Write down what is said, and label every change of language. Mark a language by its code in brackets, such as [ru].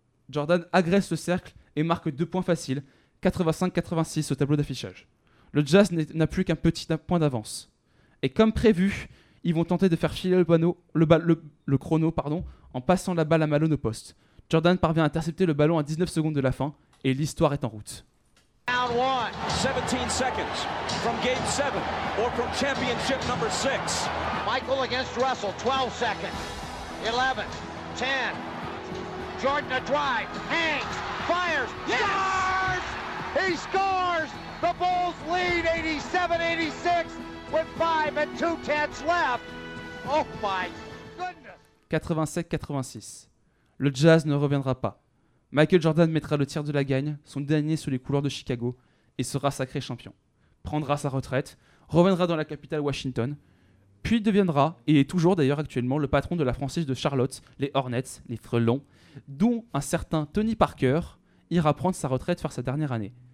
[fr] Jordan agresse le cercle et marque 2 points faciles, 85-86 au tableau d'affichage. Le Jazz n'a plus qu'un petit point d'avance. Et comme prévu, ils vont tenter de faire filer le chrono, en passant la balle à Malone au poste. Jordan parvient à intercepter le ballon à 19 secondes de la fin et l'histoire est en route. [en] Down one, 17 seconds from game 7 or from championship number 6. Michael against Russell, 12 seconds, 11, 10. Jordan a drive, hangs, fires, yes! Scores! He scores! The Bulls lead 87-86 with 5 and 2 tenths left. Oh my goodness! 87-86. [fr] Le Jazz ne reviendra pas. Michael Jordan mettra le tiers de la gagne, son dernier sous les couleurs de Chicago, et sera sacré champion. Prendra sa retraite, reviendra dans la capitale Washington, puis deviendra, et est toujours d'ailleurs actuellement, le patron de la franchise de Charlotte, les Hornets, les Frelons, dont un certain Tony Parker ira prendre sa retraite vers sa dernière année.